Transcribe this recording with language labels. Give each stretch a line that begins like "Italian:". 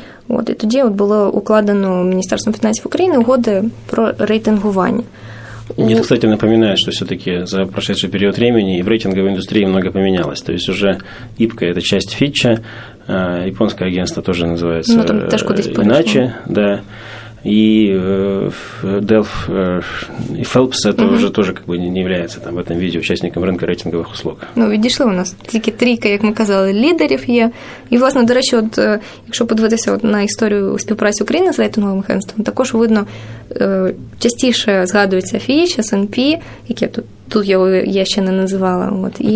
Ukrainian: І тоді було укладено Міністерством фінансів України угоди про рейтингування.
Russian: Мне, кстати, напоминает, что все-таки за прошедший период времени и в рейтинговой индустрии много поменялось. То есть уже ИПКО – это часть Фитча, японское агентство тоже называется иначе. Да. И Дельф и Фелпс – это уже тоже как бы не является там, в этом виде участником рынка рейтинговых услуг.
Ukrainian: Відійшли у нас тільки трійка, як ми казали, лідерів є. І, власне, до речі, якщо подивитися на історію співпраці України з рейтинговим агентством, також видно, частіше згадується Fitch, S&P, які тут його я ще не називала.